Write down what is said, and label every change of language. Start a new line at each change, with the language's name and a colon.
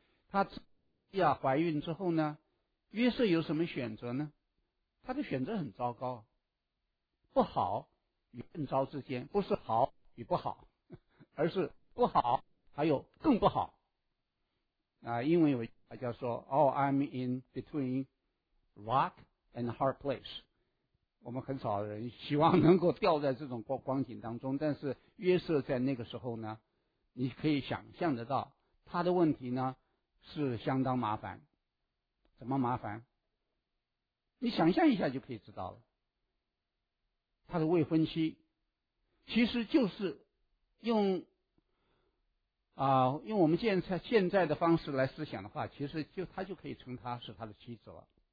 Chinese: 他要怀孕之后呢，约瑟有什么选择呢？他的选择很糟糕，不好与更糟之间，不是好与不好，而是不好还有更不好啊！因为有大家说
English: ，Oh, I'm in between rock and hard place。
Chinese: 我们很少人希望能够掉在这种光景当中，但是约瑟在那个时候呢，你可以想象得到他的问题呢是相当麻烦。怎么麻烦？你想象一下就可以知道了。他的未婚妻其实就是用我们现在的方式来思想的话，其实就他就可以称他是他的妻子了。